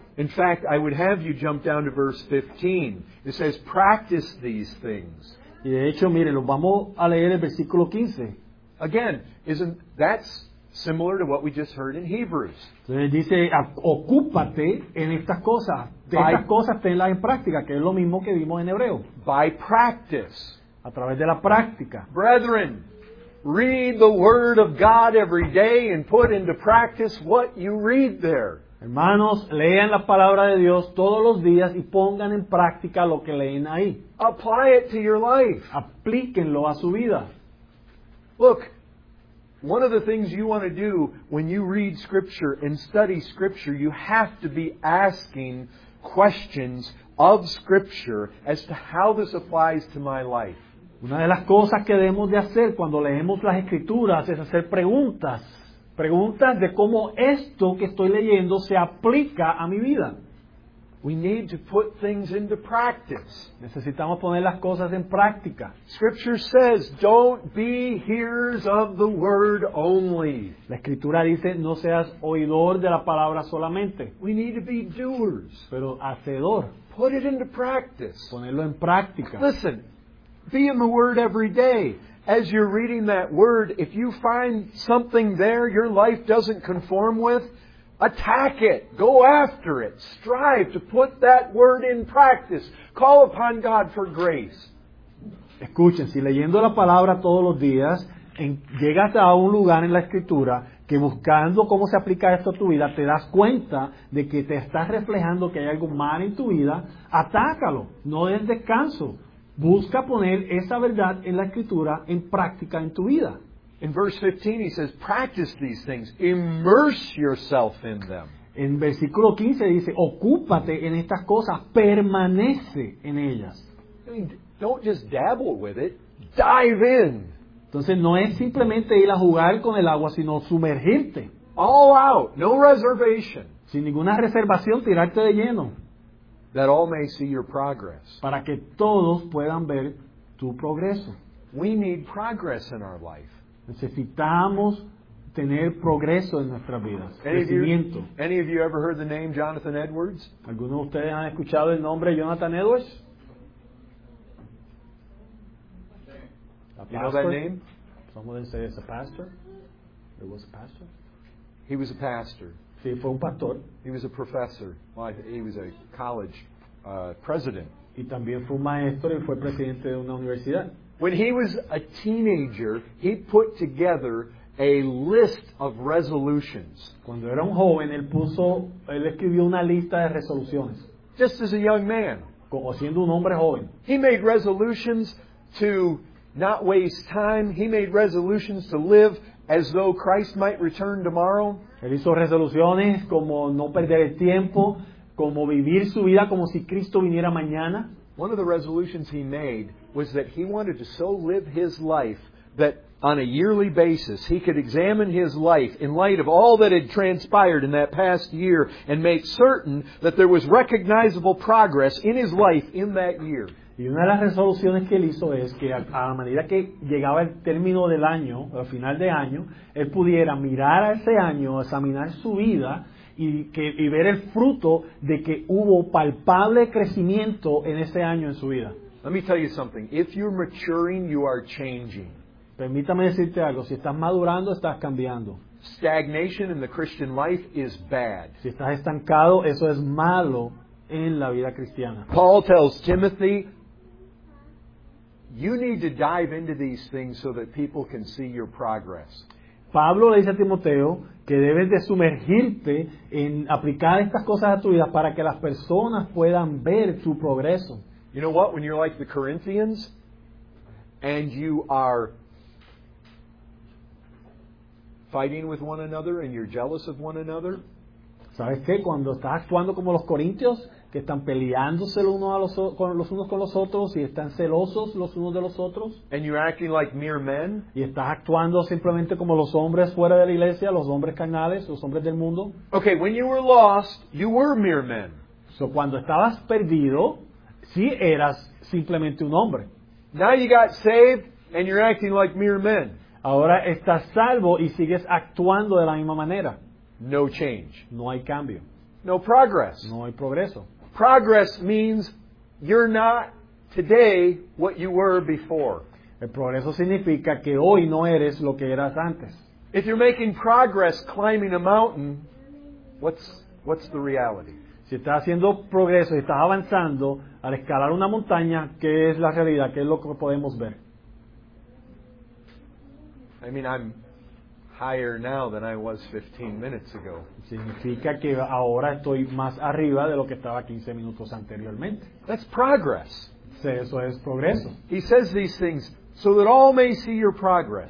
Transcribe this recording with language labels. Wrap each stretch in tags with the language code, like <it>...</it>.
<en>In fact, I would have you jump down to verse 15. It says, practice these things.</en> <es>Y de hecho, miren, lo vamos a leer el versículo 15.</es> <en>Again, isn't that similar to what we just heard in Hebrews?</en> <es>Entonces dice, ocúpate en estas cosas. Estas cosas tenlas en práctica, que es lo mismo que vimos en Hebreo.</es> <en>By practice.</en> <es>A través de la práctica.</es> <en>Brethren, read the Word of God every day and put into practice what you read there.</en> <es>Hermanos, lean la Palabra de Dios todos los días y pongan en práctica lo que leen ahí.</es> <en>Apply it to your life.</en> <es>Aplíquenlo a su vida.</es> <en>Look, one of the things you want to do when you read Scripture and study Scripture, you have to be asking questions of Scripture as to how this applies to my life.</en> <es>Una de las cosas que debemos de hacer cuando leemos las Escrituras es hacer preguntas. Preguntas de cómo esto que estoy leyendo se aplica a mi vida.</es> <en>We need to put things into practice.</en> <es>Necesitamos poner las cosas en práctica.</es> <en>Scripture says, don't be hearers of the word only.</en> <es>La Escritura dice, no seas oidor de la palabra solamente.</es> <en>We need to be doers.</en> <es>Pero hacedor.</es> <en>Put it into practice.</en> <es>Ponerlo en práctica.</es> <en>Listen. Be in the Word every day. As you're reading that Word, if you find something there your life doesn't conform with, attack it. Go after it. Strive to put that Word in practice. Call upon God for grace.</en> <es>Escuchen, si leyendo la palabra todos los días, llegas a un lugar en la Escritura que buscando cómo se aplica esto a tu vida, te das cuenta de que te estás reflejando que hay algo mal en tu vida, atácalo. No des descanso. Busca poner esa verdad en la Escritura en práctica en tu vida.</es> <en>In verse 15 he says, practice these things. Immerse yourself in them.</en> <es>En versículo 15 dice, ocúpate en estas cosas. Permanece en ellas.</es> <en>I mean, don't just dabble with it. Dive in.</en> <es>Entonces no es simplemente ir a jugar con el agua, sino sumergirte.</es> <en>All out. No reservation.</en> <es>Sin ninguna reservación, tirarte de lleno.</es> <en>That all may see your progress.</en> <es>Para que todos puedan ver tu progreso.</es> <en>We need progress in our life.</en> <es>Necesitamos tener progreso en nuestras vidas, crecimiento.</es> <en>Any of you ever heard the name Jonathan Edwards?</en> <es>¿Alguno de ustedes han escuchado el nombre Jonathan Edwards?</es> <en>You know that name? Someone didn't say it's a pastor. It was a pastor. He was a pastor.</en> <es>Sí, fue un pastor.</es> <en>He was a professor. Well, he was a college president.</en> <es>Y también fue un maestro y fue presidente de una universidad.</es> <en>When he was a teenager, he put together a list of resolutions.</en> <es>Cuando era un joven, él escribió una lista de resoluciones.</es> <en>Just as a young man.</en> <es>Como siendo un hombre joven.</es> <en>He made resolutions to not waste time. He made resolutions to live as though Christ might return tomorrow.</en> <es>Él hizo resoluciones como no perder el tiempo, como vivir su vida como si Cristo viniera mañana.</es> <en>One of the resolutions he made was that he wanted to so live his life that on a yearly basis he could examine his life in light of all that had transpired in that past year and make certain that there was recognizable progress in his life in that year.</en> <es>Y una de las resoluciones que él hizo es que a medida que llegaba el término del año, al final de año, él pudiera mirar a ese año, examinar su vida y ver el fruto de que hubo palpable crecimiento en ese año en su vida.</es> <en>Let me tell you something. If you're maturing, you are changing.</en> <es>Permítame decirte algo. Si estás madurando, estás cambiando.</es> <en>Stagnation in the Christian life is bad.</en> <es>Si estás estancado, eso es malo en la vida cristiana.</es> <en>Paul tells Timothy, you need to dive into these things so that people can see your progress.</en> <es>Pablo le dice a Timoteo que debes de sumergirte en aplicar estas cosas a tu vida para que las personas puedan ver tu progreso.</es> <en>You know what? When you're like the Corinthians and you are fighting with one another and you're jealous of one another.</en> <es>¿Sabes qué? Cuando estás actuando como los corintios, que están peleándose los unos con los otros y están celosos los unos de los otros.</es> <en>And you're acting like mere men.</en> <es>Y estás actuando simplemente como los hombres fuera de la iglesia, los hombres carnales, los hombres del mundo.</es> <en>Okay, when you were lost, you were mere men.</en> <es>So cuando estabas perdido, sí eras simplemente un hombre.</es> <en>Now you got saved and you're acting like mere men.</en> <es>Ahora estás salvo y sigues actuando de la misma manera.</es> <en>No change.</en> <es>No hay cambio.</es> <en>No progress.</en> <es>No hay progreso.</es> <en>Progress means you're not today what you were before.</en> <es>El progreso significa que hoy no eres lo que eras antes.</es> <en>If you're making progress climbing a mountain, what's the reality?</en> <es>Si estás haciendo progreso, estás avanzando al escalar una montaña, ¿qué es la realidad? ¿Qué es lo que podemos ver?</es> <en>I mean, I'm higher now than I was 15 minutes ago.</en> <es>Significa que ahora estoy más arriba de lo que estaba 15 minutos anteriormente.</es> <en>That's progress.</en> <es>Sí, eso es progreso.</es> <en>He says these things so that all may see your progress.</en>